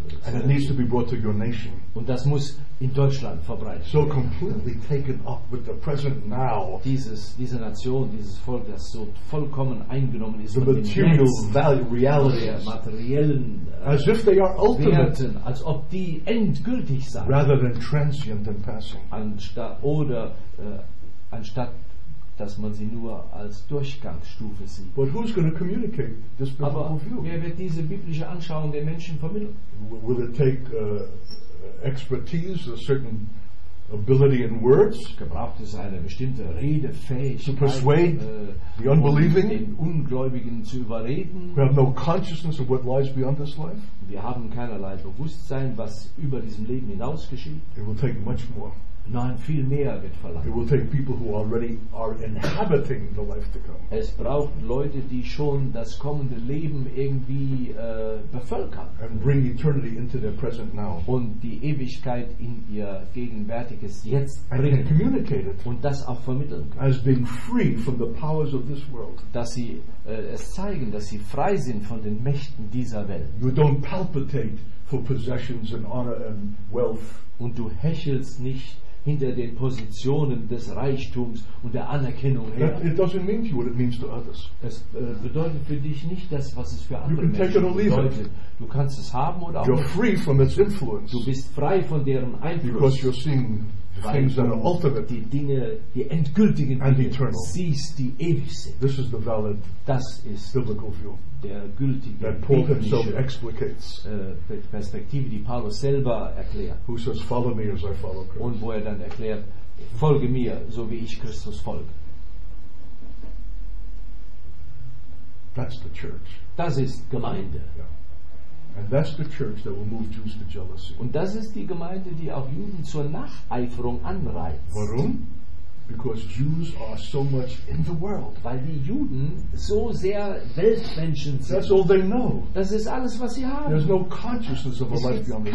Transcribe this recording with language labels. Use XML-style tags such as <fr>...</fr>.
<en>And it needs to be brought to your nation.</en> <de>Und das muss in Deutschland verbreitet werden.</de> <en>So completely taken up with the present now.</en> <de>Diese Nation, dieses Volk, das so vollkommen eingenommen ist.</de> <en>The material value realities.</en> <de>Materiellen,</de> <en>as if they are ultimate.</en> <de>Werten, als ob die endgültig seien.</de> <en>Rather than transient and passing.</en> <de>Anstatt dass man sie nur als Durchgangsstufe sieht.</de> <en>But who's going to communicate this biblical view?</en> <de>Wer wird diese biblische Anschauung den Menschen vermitteln?</de> <en>Will it take expertise, a certain ability in words?</en> <de>Gebraucht es eine bestimmte Redefähigkeit,</de> <en>to persuade the unbelieving,</en> <de>den Ungläubigen zu überreden?</de> <en>We have no consciousness of what lies beyond this life.</en> <de>Wir haben keinerlei Bewusstsein, was über diesem Leben hinaus geschieht.</de> <en>It will take much more.</en> <de>Nein, viel mehr wird verlangt.</de> <en>It will take people who already are inhabiting the life to come.</en> <de>Es braucht Leute, die schon das kommende Leben irgendwie bevölkern.</de> <en>And bring eternity into their present now.</en> <de>Und die Ewigkeit in ihr gegenwärtiges Jetzt bringen.</de> <en>And communicate it.</en> <de>Und das auch vermitteln können.</de> <en>As being free from the powers of this world.</en> <de>Dass sie es zeigen, dass sie frei sind von den Mächten dieser Welt.</de> <en>You don't palpitate for possessions and honor and wealth.</en> <de>Und du hechelst nicht hinter den Positionen des Reichtums und der Anerkennung her.</de> <en>It doesn't mean to you what it means to others.</en> <de>Es bedeutet für dich nicht das, was es für andere Menschen bedeutet. Du kannst es haben oder auch.</de> <en>You're free from its influence.</en> <de>Du bist frei von deren Einfluss.</de> <en>Because you're seeing things that are ultimate.</en> <de>Die Dinge, die endgültigen</de> <en>and</en> <de>Dinge,</de> <en>eternal.</en> <de>Siehst, die ewig sind.</de> <en>This is the valid,</en> <de>das ist</de> <en>biblical view.</en> <de>Der gültige,</de> <en>that Paul himself explicates.</en> <de>Perspektive, die Paulus selber erklärt.</de> <en>Who says, follow me as I follow Christ.</en> <de>Und wo er dann erklärt, folge mir, so wie ich Christus folge.</de> <en>That's the church.</en> <de>Das ist Gemeinde.</de> <en>Yeah. And that's the church that will move Jews to jealousy.</en> <de>Und das ist die Gemeinde, die auch Juden zur Nacheiferung anreizt. Warum?</de> <en>because Jews are so much in the world.</en> <de>Weil die Juden so sehr Weltmenschen sind.</de> <en>That's all they know.</en> <de>Das ist alles, was sie haben.</de> <en>There's no consciousness of a life beyond this.</en>